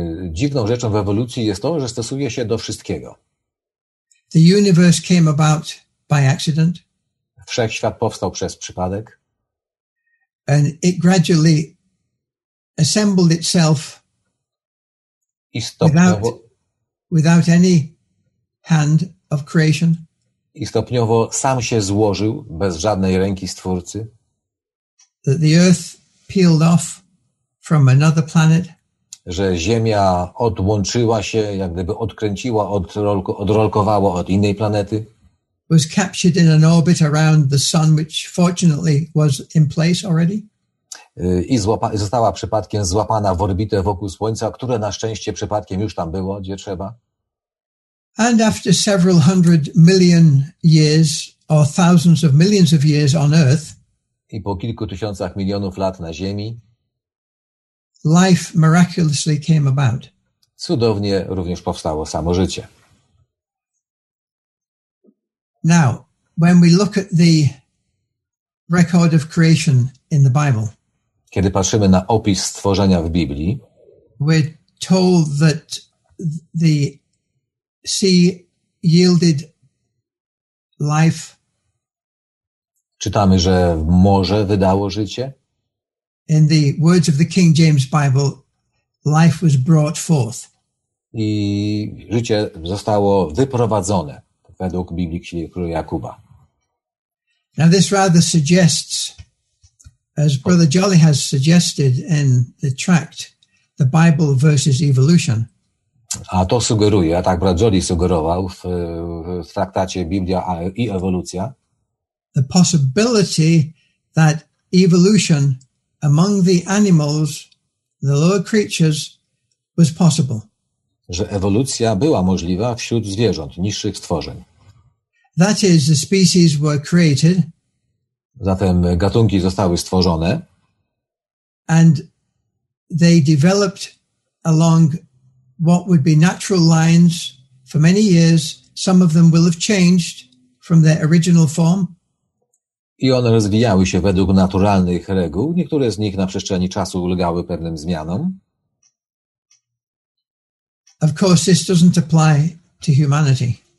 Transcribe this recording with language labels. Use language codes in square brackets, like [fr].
[pl] Dziwną rzeczą w ewolucji jest to, że stosuje się do wszystkiego. [en] The universe came about by accident. [pl] Wszechświat powstał przez przypadek. [en] And it gradually assembled itself without any hand of creation. [pl] I stopniowo sam się złożył bez żadnej ręki stwórcy. [en] That the earth peeled off from another planet. [pl] Że Ziemia odłączyła się, jak gdyby odkręciła, odrolkowała od innej planety. [en] Was captured in an orbit around the sun, which fortunately was in place already. [pl] I została przypadkiem złapana w orbitę wokół Słońca, które na szczęście przypadkiem już tam było, gdzie trzeba. [en] And after several hundred million years or thousands of millions of years on Earth, [pl] i po kilku tysiącach milionów lat na Ziemi, [en] life miraculously came about. [pl] Cudownie również powstało samo życie. [en] Now, when we look at the record of creation in the Bible, [pl] kiedy patrzymy na opis stworzenia w Biblii, [en] we're told that the sea yielded life [pl] Czytamy, że morze wydało życie. [en] In the words of the King James Bible, life was brought forth. [pl] I życie zostało wyprowadzone według Biblii Księgi Jakuba. [en] Now this rather suggests, as Brother Jolly has suggested in the tract, the Bible versus evolution. [pl] A to sugeruje, a tak Brother Jolly sugerował w traktacie Biblia i ewolucja. [en] The possibility that evolution among the animals, the lower creatures, was possible. [pl] Że ewolucja była możliwa wśród zwierząt, niższych stworzeń. [en] That is, the species were created. [pl] Zatem gatunki zostały stworzone. [en] And they developed along what would be natural lines for many years. Some of them will have changed from their original form. [pl] I one rozwijały się według naturalnych reguł. Niektóre z nich na przestrzeni czasu ulegały pewnym zmianom. [en] Of course, this doesn't apply to humanity.